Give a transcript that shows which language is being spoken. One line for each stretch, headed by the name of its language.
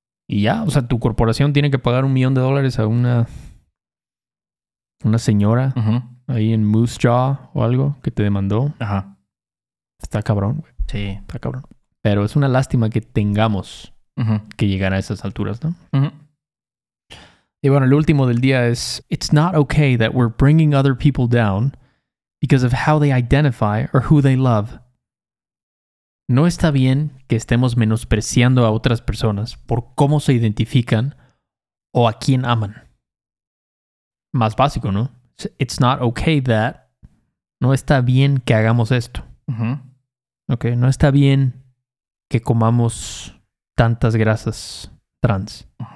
Spanish: Y ya, o sea, tu corporación tiene que pagar $1,000,000 a una señora ahí en Moose Jaw o algo que te demandó. Ajá. Está cabrón, güey. Sí. Está cabrón. Pero es una lástima que tengamos que llegar a esas alturas, ¿no? Y bueno, el último del día es,
English: it's not okay that we're bringing other people down because of how they identify or who they love.
Spanish: No está bien que estemos menospreciando a otras personas por cómo se identifican o a quién aman. Más básico, ¿no?
English: It's not okay that...
Spanish: No está bien que hagamos esto. Ok, no está bien que comamos tantas grasas trans.